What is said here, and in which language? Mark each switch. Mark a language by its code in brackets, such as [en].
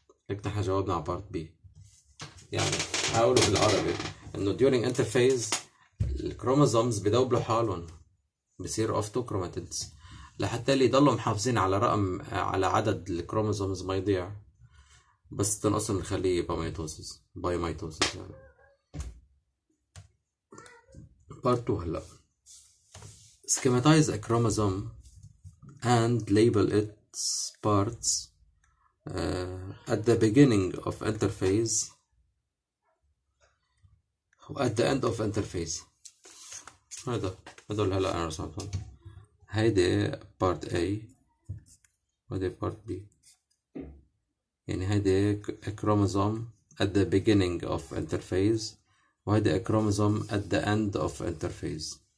[ar] هيك نحن جاوبنا على part B. يعني حاولوا بالعربي انه [en] during interphase [ar] الكروموزومز بدوبلوا حالهم، بصير [en] of two chromatids، [ar] لحتى اللي يضلوا محافظين على رقم، على عدد الكروموزومز ما يضيع، بس تنقسم الخلية [en] by mitosis [ar] يعني. [en] part 2 هلا، schematize a chromosome and label its parts at the beginning of interphase at the end of interphase. [ar] هذا هلا انا رسمتهم، هيدي part A وهيدي part B. يعني هيدي [en] a chromosome at the beginning of interphase وهيدي a chromosome at the end of interphase.